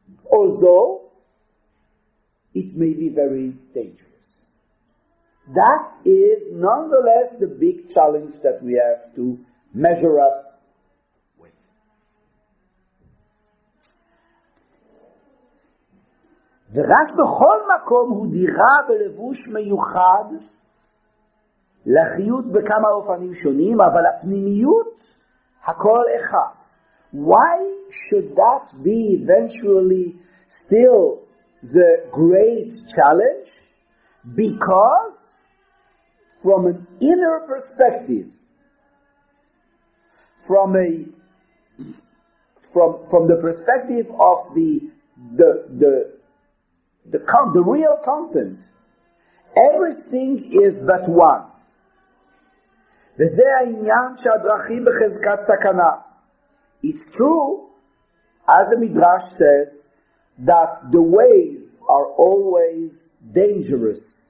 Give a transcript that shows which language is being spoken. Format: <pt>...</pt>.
<en>Although, it may be very dangerous. That is nonetheless the big challenge that we have to measure up with.</en> <he>ורק בכל מקום הוא דירה בלבוש מיוחד לחיות בכמה אופנים שונים, אבל הפנימיות הכל אחד.</he> <en>Why should that be eventually still the great challenge? Because from an inner perspective, from the perspective of the real content, everything is but one.</en> <he>וזה העניין שהדרכים בחזקת סכנה.</he> <en>It's true, as the Midrash says, that the ways are always dangerous.</en>